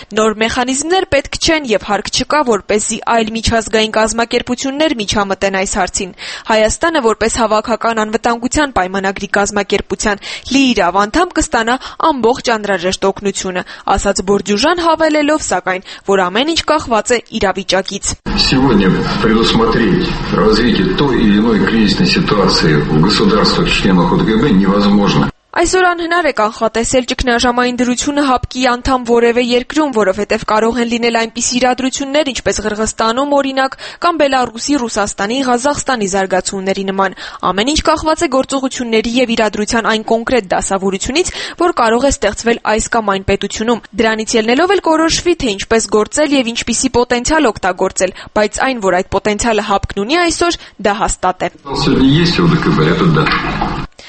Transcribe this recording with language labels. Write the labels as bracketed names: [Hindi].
[Armenian] նոր մեխանիզմներ պետք չեն և հարկ չկա, որպեսզի այլ միջազգային կազմակերպություններ միջամտեն այս հարցին։ Հայաստանը, որպես հավաքական անվտանգության պայմանագրի կազմակերպության լի իր ավանդամ, կստանա ամբողջ անհրաժեշտ օգնությունը, ասաց Բորդյուժան, հավելելով, սակայն, որ ամեն ինչ կախված է իրավիճակից։ [Russian] Сегодня предусмотреть развитие той или иной кризисной ситуации в государствах-членах ОДКБ невозможно. [Armenian] Այսօր անհնար է կանխատեսել ճգնաժամային դրությունը ՀԱՊԿ-ի անդամ որևէ երկրում, որովհետև կարող են լինել այնպիսի իրադրություններ, ինչպես Ղրղստանում, օրինակ, կամ Բելարուսի, Ռուսաստանի, Ղազախստանի զարգացումների նման։ Ամեն ինչ կախված է գործողությունների և իրադրության այն կոնկրետ դասավորությունից, որ կարող է ստեղծվել այս կամ այն պետությունում։ Դրանից ելնելով էլ կորոշվի, թե ինչպես գործել և ինչպիսի պոտենցիալ օգտագործել, բայց այն, որ այդ պոտենցիալը ՀԱՊԿ-ն ունի այսօր, դա հաստատ է։